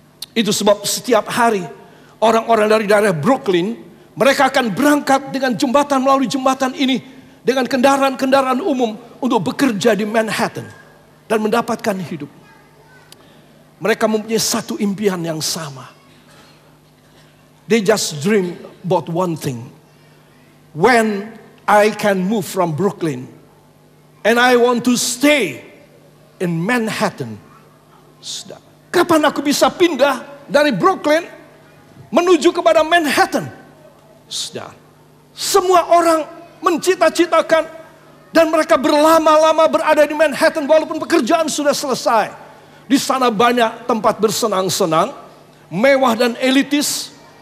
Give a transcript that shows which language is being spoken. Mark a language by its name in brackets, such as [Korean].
[Indonesian] Itu sebab setiap hari orang-orang dari daerah Brooklyn, mereka akan berangkat dengan jembatan, melalui jembatan ini dengan kendaraan-kendaraan umum untuk bekerja di Manhattan dan mendapatkan hidup. Mereka mempunyai satu impian yang sama. [English] They just dream about one thing. When I can move from Brooklyn and I want to stay in Manhattan. [Indonesian] Kapan aku bisa pindah dari Brooklyn menuju kepada Manhattan? Sudah. Semua orang mencita-citakan dan mereka berlama-lama berada di Manhattan walaupun pekerjaan sudah selesai. Di sana banyak tempat bersenang-senang, mewah dan elitis.